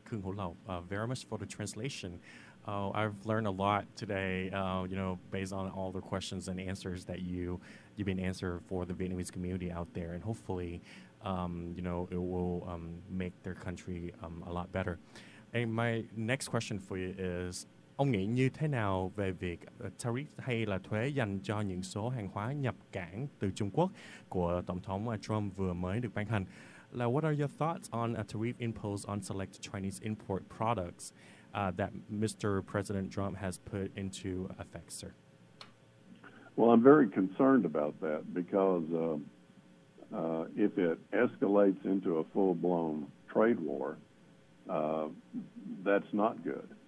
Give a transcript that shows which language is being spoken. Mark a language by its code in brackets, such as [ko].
[en] Khun Hu Lau, very much for the translation. I've learned a lot today, based on all the questions and answers that you've been answering for the Vietnamese community out there, and hopefully, it will make their country a lot better. And my next question for you is, [vi] ông nghĩ như thế nào về việc tariff hay là thuế dành cho những số hàng hóa nhập cảng từ Trung Quốc của Tổng thống Trump vừa mới được ban hành? [en] Like, what are your thoughts on a tariff imposed on select Chinese import products that Mr. President Trump has put into effect, sir? Well, I'm very concerned about that because if it escalates into a full-blown trade war, that's not good.